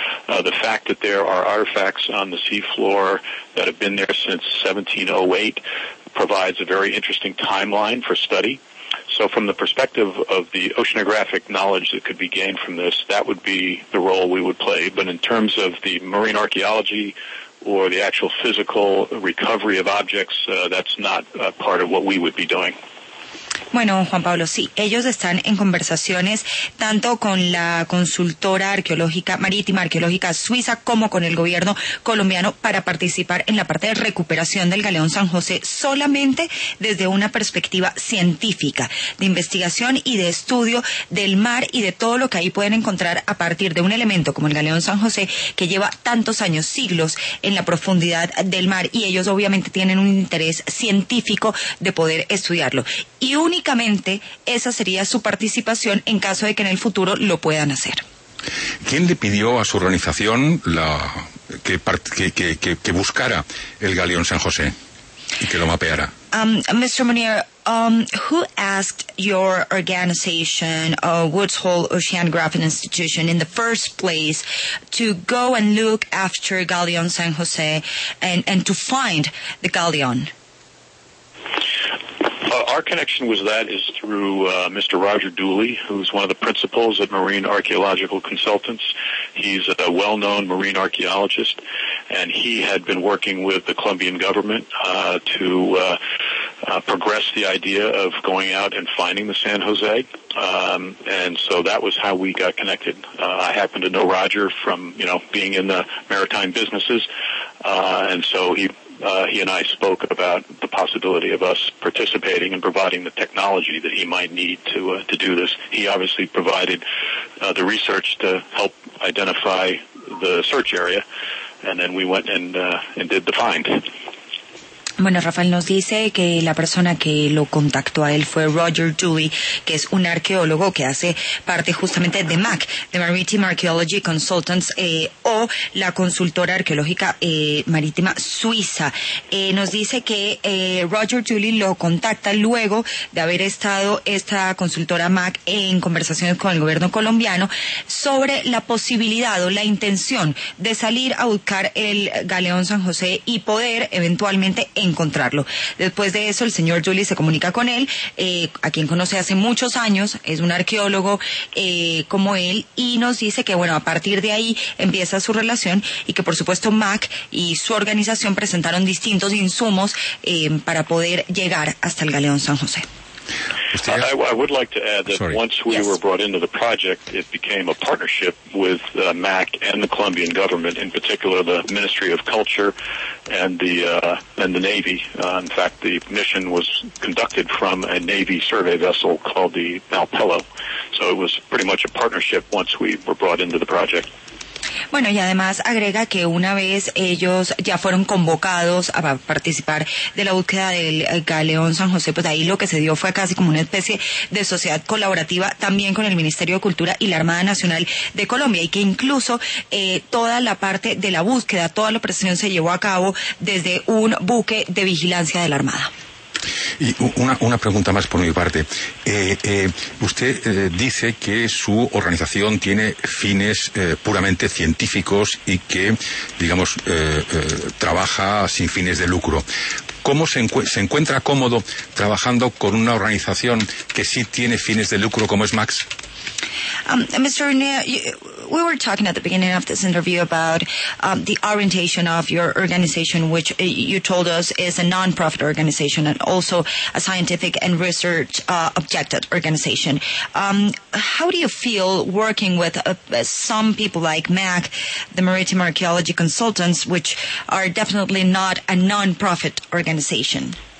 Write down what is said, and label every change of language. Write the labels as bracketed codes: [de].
[en] The fact that there are artifacts on the seafloor that have been there since 1708 provides a very interesting timeline for study. So from the perspective of the oceanographic knowledge that could be gained from this, that would be the role we would play. But in terms of the marine archaeology or the actual physical recovery of objects, that's not part of what we would be doing. [es] Bueno, Juan Pablo, sí, ellos están en conversaciones tanto con la consultora arqueológica marítima, arqueológica suiza, como con el gobierno colombiano para participar en la parte de recuperación del Galeón San José solamente desde una perspectiva científica, de investigación y de estudio del mar y de todo lo que ahí pueden encontrar a partir de un elemento como el Galeón San José, que lleva tantos años, siglos, en la profundidad del mar, y ellos obviamente tienen un interés científico de poder estudiarlo. Y únicamente esa sería su participación en caso de que en el futuro lo puedan hacer. ¿Quién le pidió a su organización que buscara el Galeón San José y que lo mapeara? [en] Mr. Monier, who asked your organization, Woods Hole Oceanographic Institution, in the first place to go and look after Galeón San José and to find the Galeón? Our connection with that is through Mr. Roger Dooley, who's one of the principals at Marine Archaeological Consultants. He's a well-known marine archaeologist, and he had been working with the Colombian government to progress the idea of going out and finding the San Jose. And so that was how we got connected. I happen to know Roger from, you know, being in the maritime businesses, and so he and I spoke about the possibility of us participating and providing the technology that he might need to do this. He obviously provided the research to help identify the search area, and then we went and did the find. [es] Bueno, Rafael nos dice que la persona que lo contactó a él fue Roger Dooley, que es un arqueólogo que hace parte justamente de MAC, de Maritime Archaeology Consultants, o la consultora arqueológica marítima suiza. Nos dice que Roger Dooley lo contacta luego de haber estado esta consultora MAC en conversaciones con el gobierno colombiano sobre la posibilidad o la intención de salir a buscar el Galeón San José y poder eventualmente encontrarlo. Después de eso, el señor Julie se comunica con él, a quien conoce hace muchos años, es un arqueólogo como él, y nos dice que, bueno, a partir de ahí empieza su relación y que, por supuesto, MAC y su organización presentaron distintos insumos para poder llegar hasta el Galeón San José. [en] I would like to add that once we were brought into the project, it became a partnership with MAC and the Colombian government, in particular the Ministry of Culture and the Navy. In fact, the mission was conducted from a Navy survey vessel called the Malpelo. So it was pretty much a partnership once we were brought into the project. [es] Bueno, y además agrega que una vez ellos ya fueron convocados a participar de la búsqueda del Galeón San José, pues ahí lo que se dio fue casi como una especie de sociedad colaborativa también con el Ministerio de Cultura y la Armada Nacional de Colombia, y que incluso toda la parte de la búsqueda, toda la operación se llevó a cabo desde un buque de vigilancia de la Armada. Y una pregunta más por mi parte. Usted dice que su organización tiene fines puramente científicos y que, digamos, trabaja sin fines de lucro. ¿Cómo se encuentra cómodo trabajando con una organización que sí tiene fines de lucro como es MAX? [en] Mr. Nea, we were talking at the beginning of this interview about the orientation of your organization, which you told us is a non-profit organization and also a scientific and research objected organization. How do you feel working with some people like MAC, the Maritime Archaeology Consultants, which are definitely not a non-profit organization?